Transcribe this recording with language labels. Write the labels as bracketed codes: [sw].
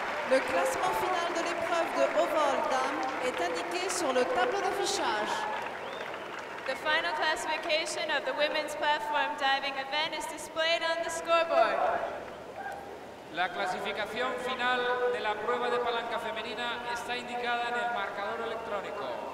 [fr] Le classement final de l'épreuve de haut vol dames est indiqué sur le tableau d'affichage. [en] The final classification of the women's platform diving event is displayed on the scoreboard. [es] La clasificación final de la prueba de palanca femenina está indicada en el marcador electrónico.